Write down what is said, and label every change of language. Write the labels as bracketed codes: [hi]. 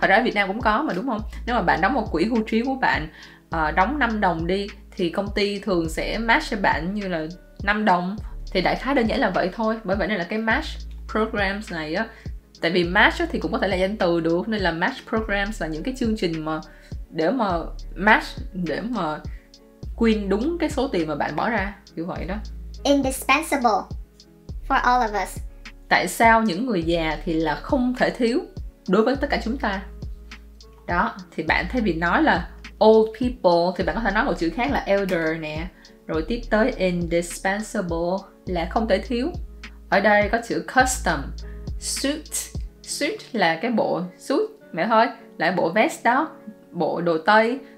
[vi] Thật ra ở Việt Nam cũng có mà đúng không? Nếu mà bạn đóng một quỹ hưu trí của bạn đóng 5 đồng đi, thì công ty thường sẽ match cho bạn như là 5 đồng. Thì đại khái đơn giản là vậy thôi. Bởi vậy nên là cái match programs này á, tại vì match thì cũng có thể là danh từ được, nên là match programs là những cái chương trình mà để mà match, để mà quyên đúng cái số tiền mà bạn bỏ ra, kiểu vậy đó. [en] Indispensable for all of us. [vi] Tại sao những người già thì là không thể thiếu đối với tất cả chúng ta? Đó, thì bạn thay vì nói là old people thì bạn có thể nói một chữ khác là elder nè. Rồi tiếp tới indispensable là không thể thiếu. Ở đây có chữ custom, suit. Suit là cái bộ suit, mẹ thôi, là bộ vest đó, bộ đồ tây.